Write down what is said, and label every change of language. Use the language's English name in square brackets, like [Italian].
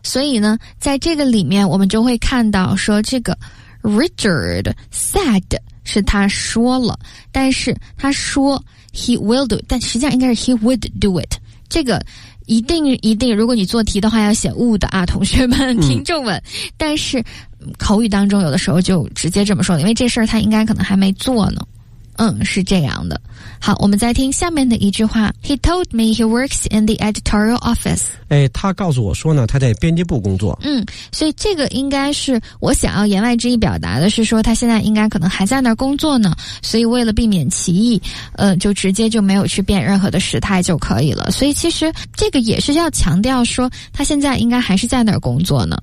[Chinese] 所以呢，在这个里面我们就会看到说这个 [English] Richard said [Chinese] 是他说了，但是他说 [English] he will do it， [Chinese] 但实际上应该是 [English] he would do it。 [Chinese] 这个一定一定，如果你做题的话要写 would 啊，同学们听众们，嗯，但是口语当中有的时候就直接这么说，因为这事儿他应该可能还没做呢。嗯，是这样的。好，我们再听下面的一句话。 [English] He told me he works in the editorial office. [Chinese] 哎，他告诉我说呢，他在编辑部工作。嗯，所以这个应该是我想要言外之意表达的是说，他现在应该可能还在那儿工作呢。所以为了避免歧义，就直接就没有去变任何的时态就可以了。所以其实这个也是要强调说，他现在应该还是在那儿工作呢。